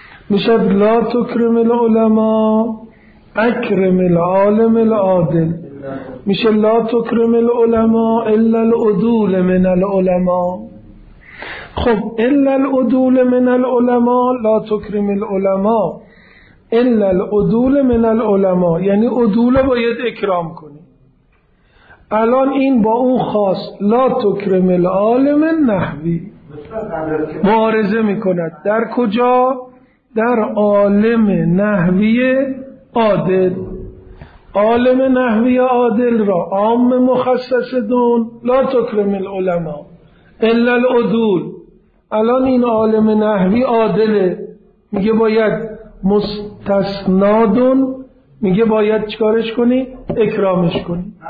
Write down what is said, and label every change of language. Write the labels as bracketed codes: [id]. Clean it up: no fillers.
[fa] میشد [ar] لا تکرم العلماء اکرم العالم العادل، [fa] میشه [ar] لا تکرم العلماء الا العدول من العلماء. [fa] خب [ar] الا العدول من العلماء، لا تکرم العلماء الا العدول من العلماء، [fa] یعنی عدول باید اکرام کنی. الان این با اون خاص [ar] لا تکرم العالم النحوی [fa] معارضه میکند در کجا؟ در عالم نحوی عادل. عالم نحوی عادل را عام مخصص دون [ar] لا تکرم العلماء الا العدول. [fa] الان این عالم نحوی عادله، میگه باید مستثنا دون، میگه باید چیکارش کنی؟ اکرامش کنی.